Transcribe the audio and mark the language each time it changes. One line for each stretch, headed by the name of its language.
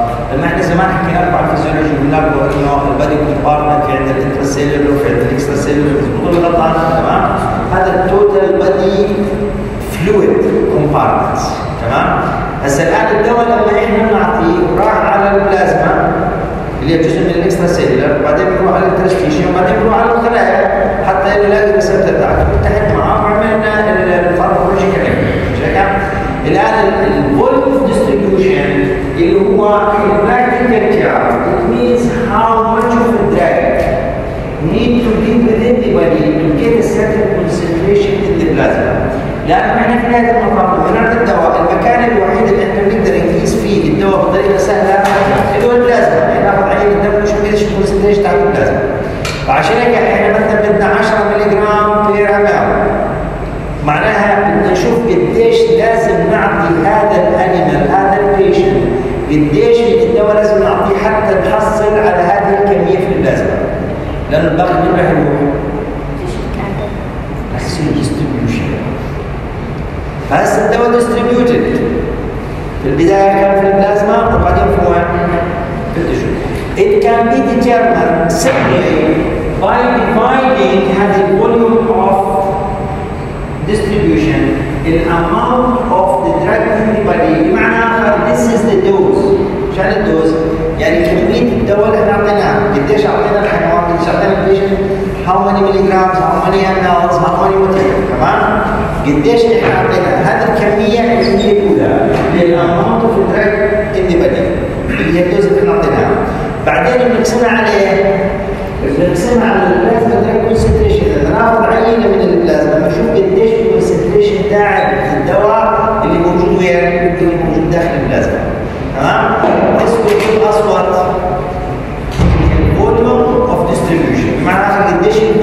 Arabic: لما احنا زمان حكينا اربع فيزيولوجي بنلاقوا انه البادي كومبارتمنت في عندنا الانترا سيلولر وفي عندنا الاكسترا سيلولر مضبوط ولا غلطان تمام؟ هذا التوتال بادي فلويد كومبارتمنت تمام؟ هسه الان الدواء لما احنا بنعطيه راح على البلازما اللي هي جزء من الاكسترا سيلولر وبعدين بنروح على الانترستيشن وبعدين بنروح على الخلايا حتى يلاقي الريسبتر تاعته بنتحد معاه وعملنا الفارماكولوجيكال ايفيد. الان الفوليوم ديستريبيوشن اللي هو
English: practical care it means how much of a drug need to be within the body to get a certain concentration in the plasma.
Arabic: لأن احنا في نهاية المطاف لما نعطي الدواء المكان الوحيد اللي احنا بنقدر نقيس فيه الدواء بطريقة سهلة اللي هو البلازما. يعني ناخذ عينة الدم ونشوف قديش الكونسنتريشن تاعت البلازما. فعشان هيك احنا مثلا بدنا 10 ملي جرام بير امير. معناها بدنا نشوف قديش لازم نعطي هذا الانيمال هذا البيشن قديش الدواء لازم نعطيه حتى تحصل على هذه الكمية في البلازما. لأن الباقي من راح يروح؟ راح يصير ديستريبيوشن. فهسا الدواء ديستريبيوتد في البداية كان في البلازما وبعدين في وين؟ في التشو.
English: It can be determined simply by dividing the volume of distribution in amount of the drug in the body.
Arabic: بمعنى آخر
English: this is the dose.
Arabic: شحال الدوز؟ يعني كمية الدواء اللي احنا اعطيناها، قديش اعطينا الحيوان، قديش اعطينا البيشن،
English: how many milligram, how many امالز، how many water,
Arabic: تمام؟ قديش احنا اعطينا هذه الكمية اللي هي الأولى اللي هي
English: الأماونت of drug in the body
Arabic: اللي هي الدوز اللي احنا اعطيناها. بعدين بنقسمها على ايه؟ بنقسمها على البلازما دراج كونسنتريشن، إذا ناخذ عينة من البلازما بنشوف قديش الكونسنتريشن تاع الدواء اللي موجود وين؟ اللي موجود داخل البلازما.
English: This will give us what? The volume of distribution.
Arabic: معناها قديش